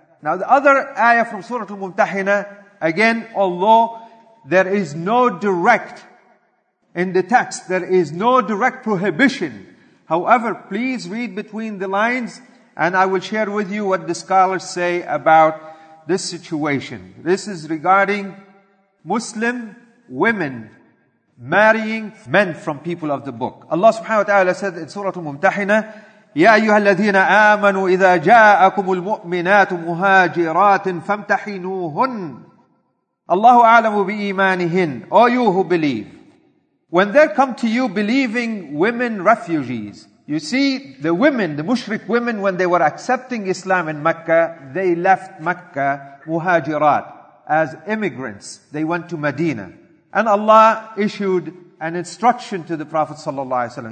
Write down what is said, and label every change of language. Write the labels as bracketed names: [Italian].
[English] Now the other ayah from Surah Al-Mumtahina, again, although there is no direct in the text, there is no direct prohibition. However, please read between the lines and I will share with you what the scholars say about this situation. This is regarding Muslim women marrying men from people of the book. [Arabic] Allah subhanahu wa ta'ala said in Surah Al-Mumtahina, يَا أَيُّهَا الَّذِينَ آمَنُوا إِذَا جَاءَكُمُ الْمُؤْمِنَاتُ مُهَاجِرَاتٍ فَامْتَحِنُوهُنَّ. Allahu a'lamu bi'imanihin. [English] O you who believe, when there come to you believing women refugees. You see, the women, the mushrik women, when they were accepting Islam in Mecca, they left Mecca, muhajirat, as immigrants. They went to Medina. And Allah issued an instruction to the Prophet ﷺ.